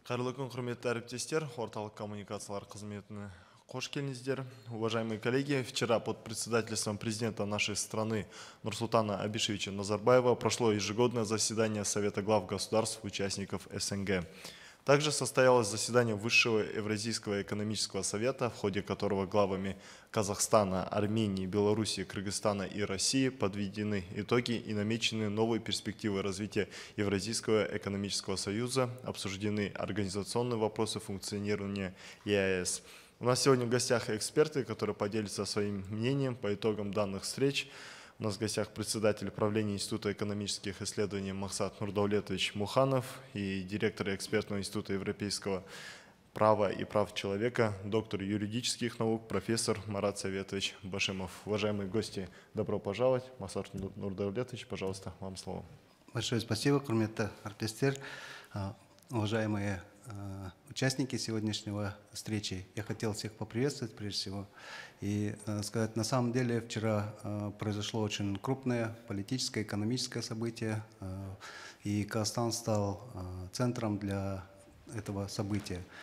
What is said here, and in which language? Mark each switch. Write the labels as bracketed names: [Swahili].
[Kazakh] Қайырлы күн, құрметті әріптестер, орталық коммуникациялар қызметіне қош келдіңіздер. [Russian] Уважаемые коллеги, вчера под председательством президента нашей страны Нурсултана Абишевича Назарбаева прошло ежегодное заседание Совета глав государств участников СНГ. Также состоялось заседание Высшего Евразийского экономического совета, в ходе которого главами Казахстана, Армении, Белоруссии, Кыргызстана и России подведены итоги и намечены новые перспективы развития Евразийского экономического союза, обсуждены организационные вопросы функционирования ЕАЭС. У нас сегодня в гостях эксперты, которые поделятся своим мнением по итогам данных встреч. У нас в гостях председатель правления Института экономических исследований Максат Нурдаулетович Муханов и директор экспертного института европейского права и прав человека, доктор юридических наук, профессор Марат Советович Башимов. Уважаемые гости, добро пожаловать. Максат Нурдаулетович, пожалуйста, вам слово. Большое спасибо, [Kazakh] құрметті әріптестер. [Russian] Уважаемые участники сегодняшнего встречи, я хотел всех поприветствовать прежде всего и сказать, на самом деле вчера произошло очень крупное политическое, экономическое событие, и Казахстан стал центром для этого события.